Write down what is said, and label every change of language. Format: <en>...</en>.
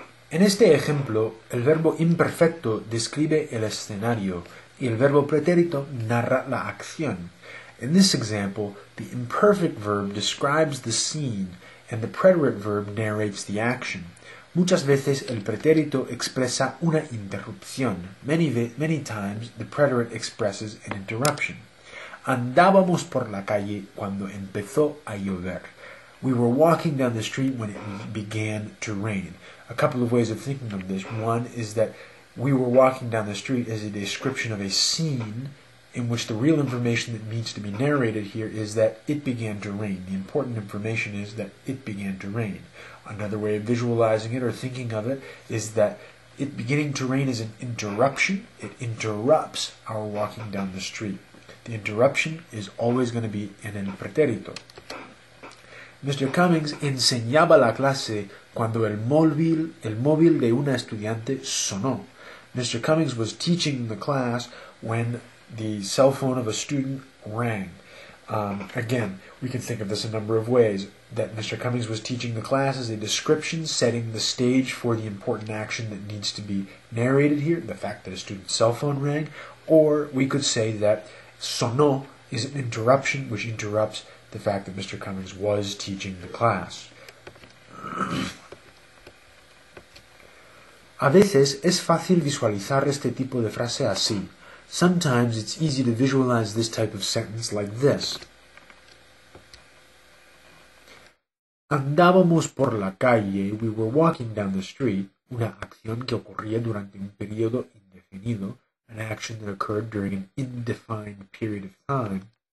<es>En este ejemplo, el verbo imperfecto describe el escenario y el verbo pretérito narra la acción.</es> <en>In this example, the imperfect verb describes the scene and the preterite verb narrates the action.</en> <es>Muchas veces el pretérito expresa una interrupción.</es> <en>Many times the preterite expresses an interruption.</en> <es>Andábamos por la calle cuando empezó a llover.</es> <en>We were walking down the street when it began to rain. A couple of ways of thinking of this. One is that we were walking down the street as a description of a scene in which the real information that needs to be narrated here is that it began to rain. The important information is that it began to rain. Another way of visualizing it or thinking of it is that it beginning to rain is an interruption. It interrupts our walking down the street. The interruption is always going to be in el pretérito. Mr.</en> <es>Cummings enseñaba la clase cuando el móvil de una estudiante sonó.</es> <en>Mr. Cummings was teaching the class when the cell phone of a student rang. Again, we can think of this a number of ways, that Mr. Cummings was teaching the class as a description setting the stage for the important action that needs to be narrated here, the fact that a student's cell phone rang, or we could say that sonó is an interruption which interrupts the fact that Mr. Cummings was teaching the class.</en> <es>A veces es fácil visualizar este tipo de frase así.</es> <en>Sometimes it's easy to visualize this type of sentence like this.</en> <es>Andábamos por la calle,</es> <en>we were walking down the street,</en> <es>una acción que ocurría durante un periodo indefinido,</es> <en>an action that occurred during an indefined period of time.</en>